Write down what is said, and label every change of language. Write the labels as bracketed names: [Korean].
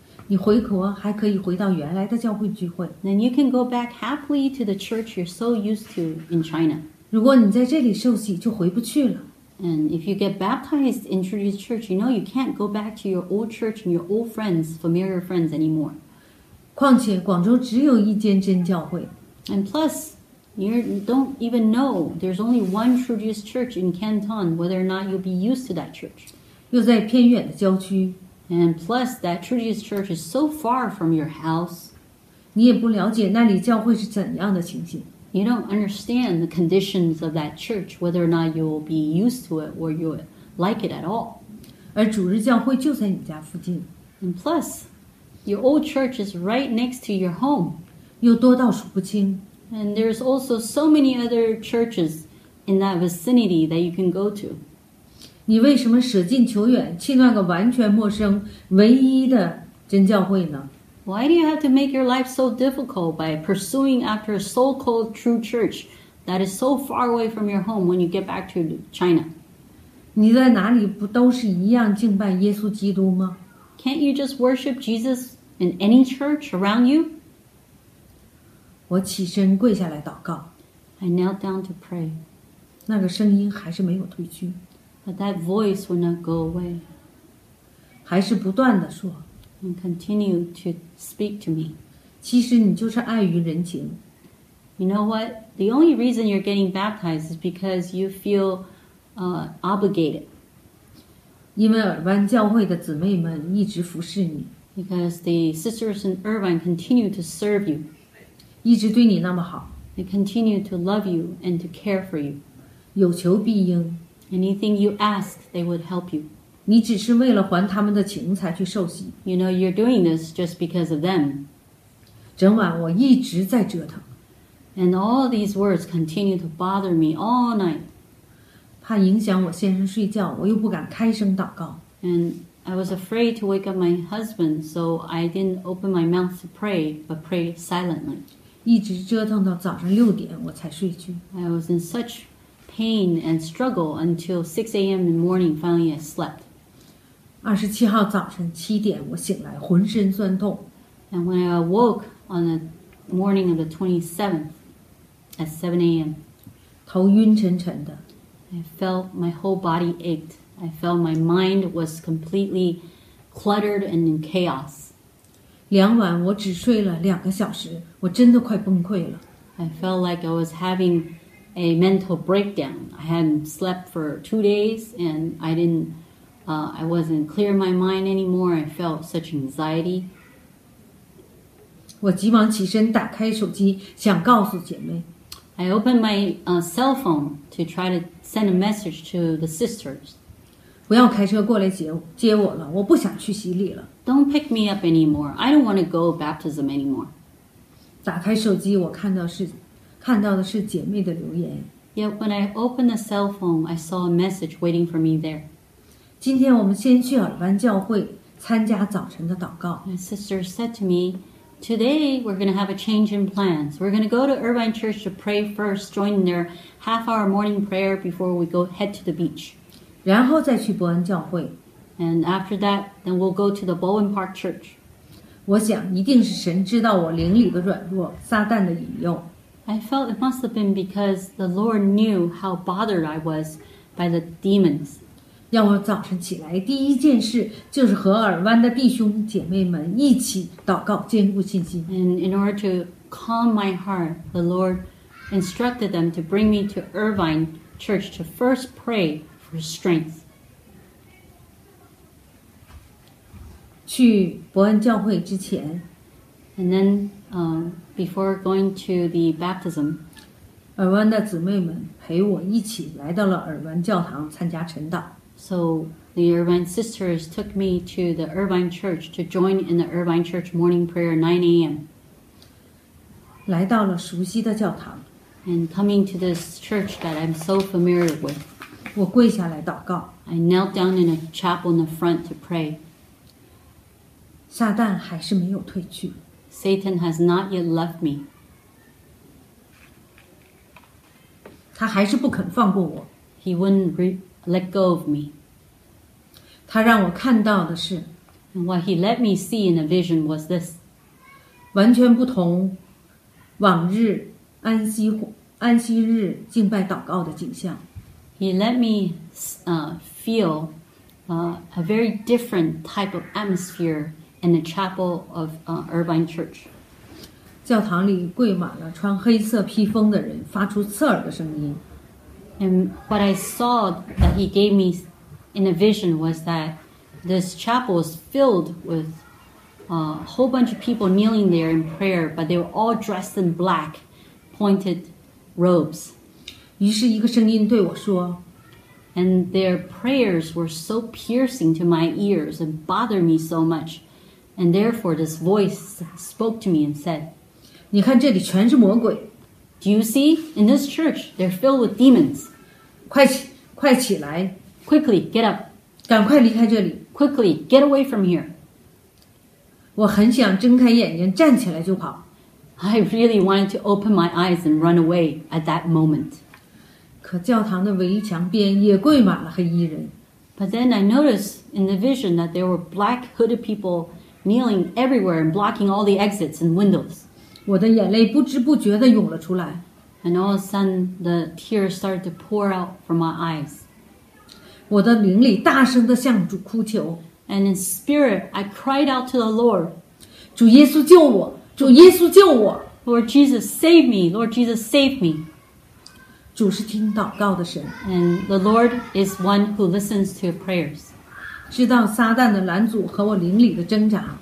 [Chinese] 你回国还可以回到原来的教会聚会。 [English] Then you can go back happily to the church you're so used to in China. [Chinese] 如果你在这里受洗，就回不去了。 [English] And if you get baptized in this church, you know you can't go back to your old church and your old friends, familiar friends anymore. [Chinese] 况且广州只有一间真教会。 [English] And plus, you don't even know there's only one true Jesus church in Canton, whether or not you'll be used to that church. [Chinese] 又在偏远的郊区。 [English] And plus, that Trinity's Church is so far from your house. [Chinese] 你也不了解那里教会是怎样的情形。 [English] You don't understand the conditions of that church, whether or not you'll be used to it or you'll like it at all. [Chinese] 而主日教会就在你家附近。 [English] And plus, your old church is right next to your home. [Chinese] 又多到数不清。 [English] And there's also so many other churches in that vicinity that you can go to. [Chinese] 你为什么舍近求远去那个完全陌生唯一的真教会呢？ [English] Why do you have to make your life so difficult by pursuing after a so-called true church that is so far away from your home when you get back to China? [Chinese] 你在哪里不都是一样敬拜耶稣基督吗？ [English] Can't you just worship Jesus in any church around you? [Chinese] 我起身跪下来祷告。 [English] I knelt down to pray. [Chinese] 那个声音还是没有退去。 [English] But that voice would not go away. [Chinese] 还是不断地说。 [English] And continue to speak to me. [Chinese] 其实你就是碍于人情。 [English] You know what? The only reason you're getting baptized is because you feel obligated. [Chinese] 因为尔湾教会的姊妹们一直服侍你。 [English] Because the sisters in Irvine continue to serve you. [Chinese] 一直对你那么好。 [English] They continue to love you and to care for you. [Chinese] 有求必应。 [English] Anything you ask, they would help you. [Chinese] 你只是为了还他们的情才去受洗。 [English] You know, you're doing this just because of them. [Chinese] 整晚我一直在折腾。 [English] And all these words continue to bother me all night. [Chinese] 怕影响我先生睡觉，我又不敢开声祷告。 [English] And I was afraid to wake up my husband, so I didn't open my mouth to pray, but prayed silently. [Chinese] 一直折腾到早上六点，我才睡去。 [English] I was in such pain and struggle until 6 a.m. in the morning, finally I slept. [Chinese] 27号早晨7点我醒来浑身酸痛。 [English] And when I awoke on the morning of the 27th at 7 a.m. [Chinese] 头晕沉沉的。 [English] I felt my whole body ached. I felt my mind was completely cluttered and in chaos. [Chinese] 两晚我只睡了两个小时我真的快崩溃了。 [English] I felt like I was having a mental breakdown. I hadn't slept for 2 days and I wasn't clear in my mind anymore. I felt such anxiety. [Chinese] 我急忙起身打开手机想告诉姐妹。 [English] I opened my cell phone to try to send a message to the sisters. [Chinese] 不要开车过来接我了，我不想去洗礼了。 [English] Don't pick me up anymore. I don't want to go baptism anymore. [Chinese] 打开手机我看到的是姐妹的留言。 [English] Yet when I opened the cell phone, I saw a message waiting for me there. [Chinese] 今天我们先去尔班教会参加早晨的祷告。 [English] My sister said to me,Today, we're going to have a change in plans. We're going to go to Irvine Church to pray first, join their half-hour morning prayer before we go head to the beach. [Chinese] 然后再去伯恩教会。 [English] And after that, then we'll go to the Bowen Park Church. [Chinese] 我想一定是神知道我灵里的软弱，撒旦的引诱。 [English] I felt it must have been because the Lord knew how bothered I was by the demons. [Chinese] 让我早晨起来第一件事就是和尔湾的弟兄姐妹们一起祷告坚固信心。 [English] And in order to calm my heart, the Lord instructed them to bring me to Irvine Church to first pray for strength. [Chinese] 去伯恩教会之前 [English] And then, before going to the baptism, [Chinese] 尔湾的姊妹们陪我一起来到了尔湾教堂参加晨祷。 [English] So the Irvine sisters took me to the Irvine church to join in the Irvine church morning prayer 9 a.m. [Chinese] 来到了熟悉的教堂 [English] And coming to this church that I'm so familiar with. [Chinese] 我跪下来祷告 [English] I knelt down in a chapel in the front to pray. [Chinese] 撒旦还是没有退去 [English] Satan has not yet left me. [Chinese] 他还是不肯放过我 [English] He wouldn't let go of me. [Chinese] 他让我看到的是 [English] And what he let me see in a vision was this. [Chinese] 完全不同往日安息日敬拜祷告的景象。 [English] He let me feel a very different type of atmosphere in the chapel of Irvine Church. [Chinese] 教堂里跪满了穿黑色披风的人发出刺耳的声音。 [English] And what I saw that he gave me in a vision was that this chapel was filled with a whole bunch of people kneeling there in prayer, but they were all dressed in black, pointed robes. [Chinese] 于是一个声音对我说 [English] And their prayers were so piercing to my ears and bothered me so much. And therefore this voice spoke to me and said, [Chinese] 你看这里全是魔鬼。 [English] Do you see? In this church, they're filled with demons. [Chinese] 快起来 [English] Quickly, get up. [Chinese] 赶快离开这里 [English] Quickly, get away from here. [Chinese] 我很想睁开眼睛站起来就跑 [English] I really wanted to open my eyes and run away at that moment. [Chinese] 可教堂的围墙边也跪满了黑衣人 [English] But then I noticed in the vision that there were black hooded people kneeling everywhere and blocking all the exits and windows. [Chinese] 我的眼泪不知不觉地涌了出来 [English] And all of a sudden, the tears started to pour out from my eyes. [Chinese] 我的灵里大声地向主哭求 [English] And in spirit, I cried out to the Lord. [Chinese] 主耶稣救我主耶稣救我 [English] Lord Jesus, save me. Lord Jesus, save me. [Chinese] 主是听祷告的神 [English] And the Lord is one who listens to your prayers. [Chinese] 知道撒旦的拦阻和我灵里的挣扎